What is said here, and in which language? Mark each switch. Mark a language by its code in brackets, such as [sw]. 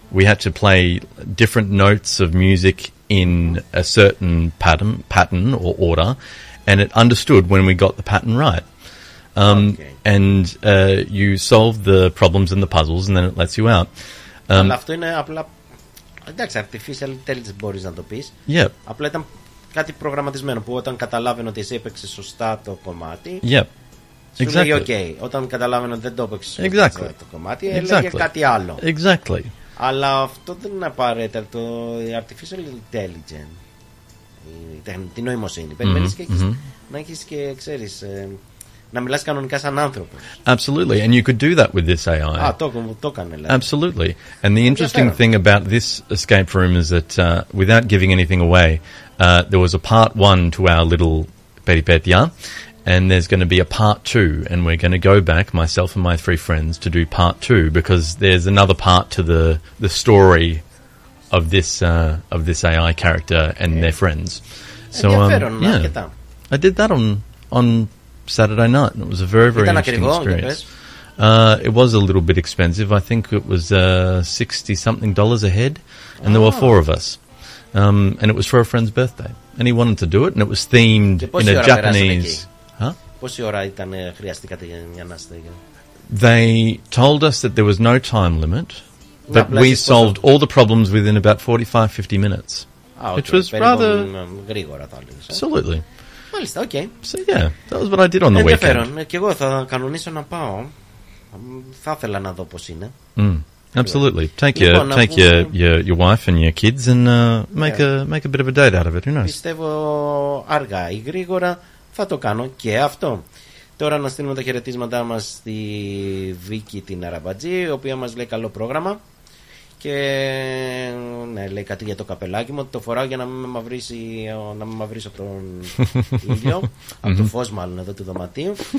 [en] We had to play different notes of music in a certain pattern or order, and it understood when we got the pattern right. Okay. And you solve the problems and the puzzles, and then it lets you out. [el] Αλλά αυτό είναι απλά... Εντάξει, artificial intelligence μπορείς να το πεις. [en] Yep. [el] Απλά ήταν κάτι προγραμματισμένο, που όταν καταλάβαινε ότι εσύ έπαιξε σωστά το κομμάτι... [en] Yep. Exactly. Okay. [el] Όταν καταλάβαινε ότι δεν το έπαιξε το κομμάτι, έλεγε κάτι άλλο. [en] Exactly. [el] Αλλά αυτό δεν είναι απαραίτητο. Η artificial intelligence, η νοημοσύνη, περιμένεις να έχεις και, ξέρεις, να μιλάς κανονικά σαν άνθρωπος. [en] Absolutely. And you could do that with this AI. [el] Α, το έκανε. [en] Absolutely. And the interesting thing about this escape room is that, without giving anything away, there was a part one to our little peripetia. And there's going to be a part two, and we're going to go back, myself and my three friends, to do part two, because there's another part to the story of this AI character and their friends. So yeah, I did that on Saturday night, and it was a very, very interesting experience. It was a little bit expensive. I think it was $60-something dollars a head, and there were four of us. And it was for a friend's birthday, and he wanted to do it, and it was themed in a Japanese... [el] Πόση ώρα ήταν χρειαστήκατε για να είστε εκεί? [en] They told us that there was no time limit, but we solved all the problems within about 45-50 minutes. Which was rather... [el] Γρήγορα θα λέγεις. [en] Absolutely. [el] Μάλιστα, οκ. [en] So yeah, that was what I did on the weekend. [el] Και εγώ θα κανονίσω να πάω. Θα ήθελα να δω πώς είναι. [en] Absolutely. Take your wife and your kids and make a bit of a date out of it. Who knows? [el] Πιστεύω αργά ή γρήγορα... Θα το κάνω και αυτό. Τώρα να στείλουμε τα χαιρετίσματά μας στη Βίκη την Αραμπατζή, η οποία μας λέει καλό πρόγραμμα. Και ναι, λέει κάτι για το καπελάκι μου, ότι το φοράω για να μην με μαυρίσει, να μην μαυρίσω από τον ήλιο, από το φως μάλλον εδώ του δωματίου.